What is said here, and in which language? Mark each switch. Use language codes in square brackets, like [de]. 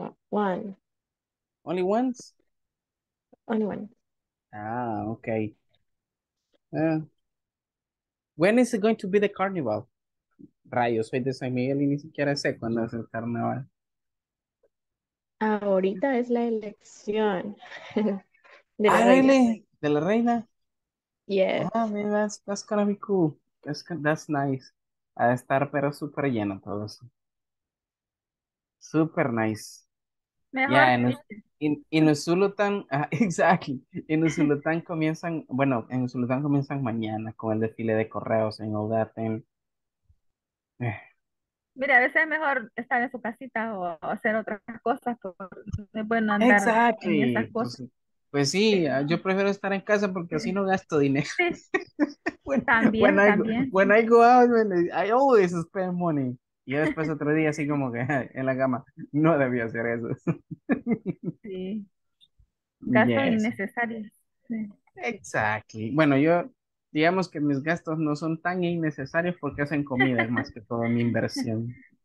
[en] One. Only once? Only one. Ah, okay. When is it going to be the carnival? [es] Rayos, soy de San Miguel y ni siquiera sé cuándo es el carnaval. Ahorita es la elección de la reina. De la reina. [en] Yes. Ah, man, that's gonna be cool. That's nice. [es] A estar pero super lleno todo eso. [en] Super nice. [es] Mejor. [en] Yeah, [es] en Usulután, [en] exactly. [es] En Usulután comienzan, bueno, en Usulután comienzan mañana con el desfile de correos en [en] all that thing. [es] Mira, a veces es mejor estar en su casita o hacer otras cosas, porque es bueno andar [en] exactly. [es] en esas cosas. Pues sí, yo prefiero estar en casa porque así no gasto dinero. Sí. [en] When I go out, I always spend money. [es] Y después otro día así como que en la cama, no debía hacer eso. Sí. Gastos innecesarios. Sí. [en] Exactly. [es] Bueno, yo... Digamos que mis gastos no son tan innecesarios porque hacen comida más que todo mi inversión.